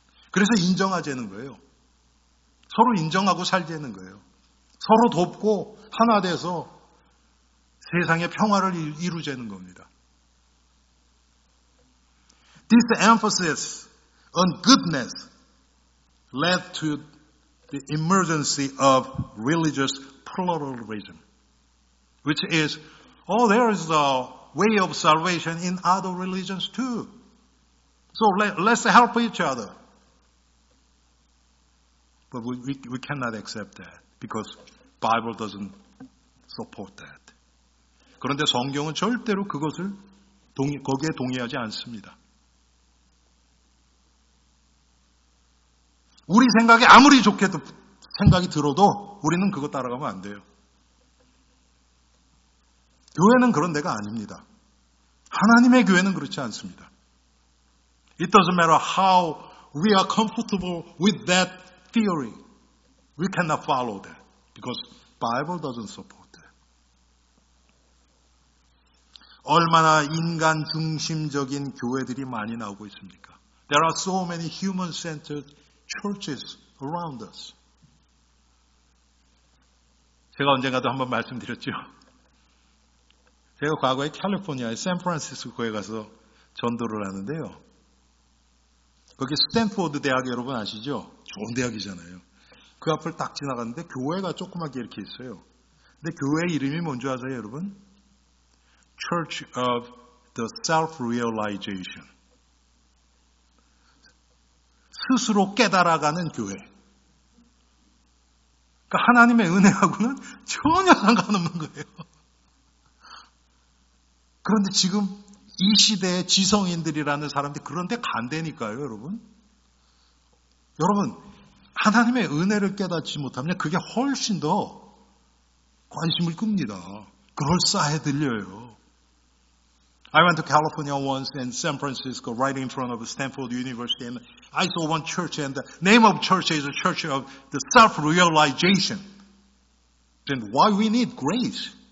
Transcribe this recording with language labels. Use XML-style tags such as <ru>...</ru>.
<ko>그래서 인정하자는 거예요. 서로 인정하고 살자는 거예요. 서로 돕고 하나 돼서 세상의 평화를 이루자는 겁니다.</ko> <en>This emphasis on goodness led to the emergency of religious pluralism, which is, oh, there is a way of salvation in other religions too. So let's help each other. But we cannot accept that because Bible doesn't support that.</en> <ko>그런데 성경은 절대로 그것을 거기에 동의하지 않습니다. 우리 생각이 아무리 좋게도 생각이 들어도 우리는 그거 따라가면 안 돼요. 교회는 그런 데가 아닙니다. 하나님의 교회는 그렇지 않습니다.</ko> <en>It doesn't matter how we are comfortable with that theory. We cannot follow that because Bible doesn't support that.</en> <ko>얼마나 인간 중심적인 교회들이 많이 나오고 있습니까?</ko> <en>There are so many human-centered churches around us.</en> <ko>제가 언젠가도 한번 말씀드렸죠. 제가 과거에 캘리포니아의 샌프란시스코에 가서 전도를 하는데요. 거기 스탠포드 대학 여러분 아시죠? 좋은 대학이잖아요. 그 앞을 딱 지나갔는데 교회가 조그맣게 이렇게 있어요. 근데 교회 이름이 뭔지 아세요, 여러분?</ko> <en>Church of the Self-Realization.</en> <ko>스스로 깨달아가는 교회. 그러니까 하나님의 은혜하고는 전혀 상관없는 거예요. 그런데 지금 이 시대의 지성인들이라는 사람들이 그런데 간대니까요, 여러분. 여러분, 하나님의 은혜를 깨닫지 못하면 그게 훨씬 더 관심을 끕니다. 그럴싸해 들려요.</ko> <en>I went to California once in San Francisco, right in front of Stanford University, and I saw one church, and the name of church is a church of the self-realization. Then why we need grace?</en>